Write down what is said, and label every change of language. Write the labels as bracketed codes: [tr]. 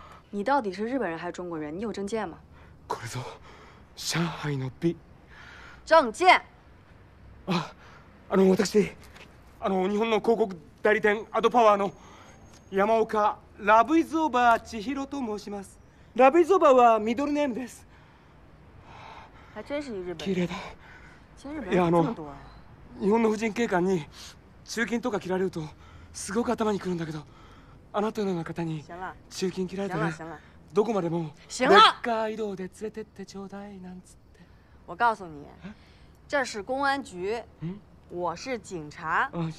[zh] 你到底是日本人还是中国人？你有证件吗？ [ja] これぞ上海の美。 [zh] 证件。 [ja] 啊，あの私、あの日本の広告代理店アドパワーの山岡。ラブイズオーバー千尋と申します。ラブイズオーバーはミドルネームです。 [zh] 还真是一日本人。 [ja] 綺麗だ。 [zh] 日本人这么多。 [ja] 日本の婦人警官に中勤とか切られるとすごく頭にくるんだけど、あなたのような方に中勤切られたらどこまでも [zh] 行了 [ja] レッカー移動で連れてってちょうだいなんつって。 [zh] 我告诉你，这是公安局，我是警察。